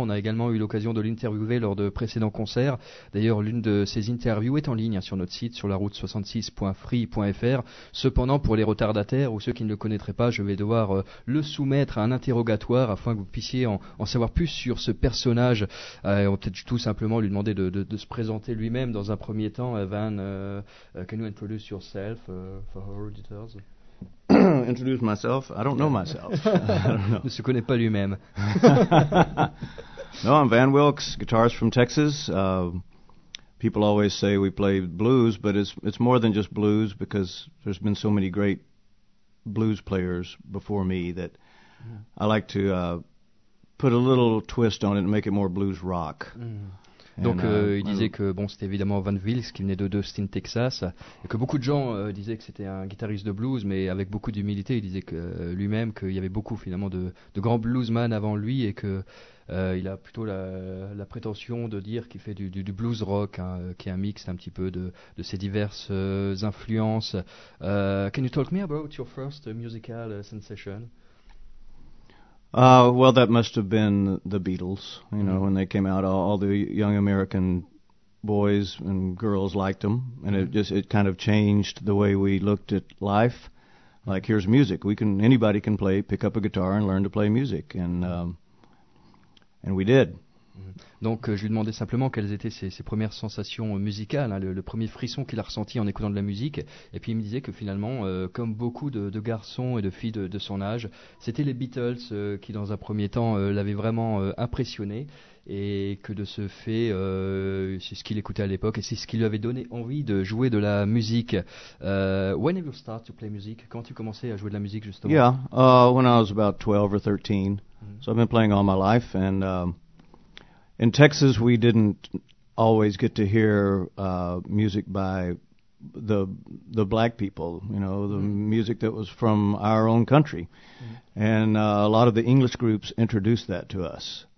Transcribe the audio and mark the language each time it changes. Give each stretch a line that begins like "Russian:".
French: On a également eu l'occasion de l'interviewer lors de précédents concerts. D'ailleurs, l'une de ses interviews est en ligne, hein, sur notre site, sur laroute66.free.fr. Cependant, pour les retardataires ou ceux qui ne le connaîtraient pas, je vais devoir le soumettre à un interrogatoire afin que vous puissiez en savoir plus sur ce personnage. On peut tout simplement lui demander de se présenter lui-même dans un premier temps.
English: Van, can you introduce yourself for our auditors? Introduce myself? I don't know myself.
French: Ne se connaît pas lui-même.
English: No, I'm Van Wilkes, guitarist from Texas. People always say we play blues, but it's more than just blues, because there's been so many great blues players before me that I like to put a little twist on it and make it more blues rock.
French: Donc il disait que bon, c'était évidemment Van Wilkes, qui venait d'Austin, Texas, et que beaucoup de gens disaient que c'était un guitariste de blues, mais avec beaucoup d'humilité, il disait que lui-même qu'il y avait beaucoup finalement de grands bluesmen avant lui, et que il a plutôt la prétention de dire qu'il fait du blues rock, hein, qui est un mix un petit peu de ses diverses influences.
English: Can you talk me about your first musical sensation? Well, that must have been the Beatles, you know, when they came out. All the young American boys and girls liked them, and it kind of changed the way we looked at life. Like, here's music. Anybody can play, pick up a guitar and learn to play music, and we did.
French: Donc, je lui demandais simplement quelles étaient ses premières sensations musicales, hein, le premier frisson qu'il a ressenti en écoutant de la musique. Et puis, il me disait que finalement, comme beaucoup de garçons et de filles de son âge, c'était les Beatles qui, dans un premier temps, l'avaient vraiment impressionné. Et que de ce fait, c'est ce qu'il écoutait à l'époque et c'est ce qui lui avait donné envie de jouer de la musique.
English: When did you start to play music?
French: Quand tu commençais à jouer de la musique, justement?
English: Yeah, when I was about 12 or 13. So I've been playing all my life and... In Texas, we didn't always get to hear music by the black people, you know, the music that was from our own country. And a lot of the English groups introduced that to us.